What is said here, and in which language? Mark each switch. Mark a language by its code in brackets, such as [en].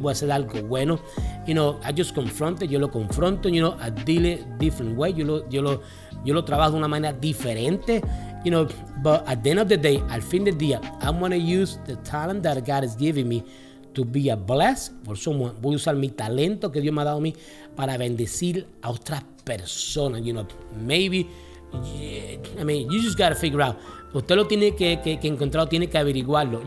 [es] Voy a hacer algo bueno. [en] You know, I just confront it. [es] Yo lo confronto. [en] You know, I deal it different way. [es] Yo lo trabajo de una manera diferente. [en] You know, but at the end of the day, [es] al fin del día, [en] I'm gonna use the talent that God has given me to be a bless for someone. [es] Voy a usar mi talento que Dios me ha dado a mí para bendecir a otra persona. [en] You know, maybe. Yeah, I mean, you just gotta figure out. [es] Usted lo tiene que encontrar, tiene que averiguarlo.